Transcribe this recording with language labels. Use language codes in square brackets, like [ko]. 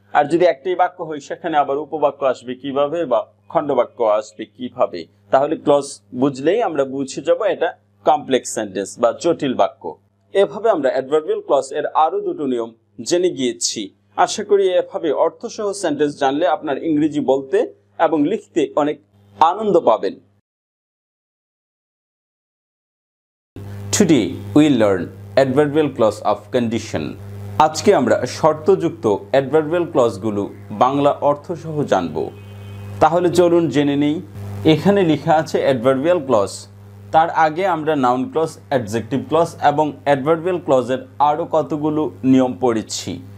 [bn] আর যদি একটাই বাক্য হয় সেখানে আবার উপবাক্য আসবে কিভাবে বা খণ্ড বাক্য আসবে কিভাবে, তাহলে ক্লজ বুঝলেই আমরা বুঝে যাব এটা কমপ্লেক্স সেন্টেন্স বা জটিল বাক্য। এভাবে আমরা অ্যাডভার্বিয়াল ক্লজ এর আরো দুটো নিয়ম জেনে গিয়েছি। আশা করি এভাবে অর্থসহ সেন্টেন্স জানলে আপনার ইংরেজি বলতে এবং লিখতে অনেক আনন্দ পাবেন। [en] Today we learn adverbial clause of condition. [bn] আজকে আমরা শর্তযুক্ত adverbial clauseগুলো বাংলা অর্থসহ জানবো। তাহলে চলুন জেনে নেই, এখানে লেখা আছে adverbial clause, তার আগে আমরা noun clause, adjective clause এবং adverbial clauseএর আরো কতগুলো নিয়ম পড়েছি।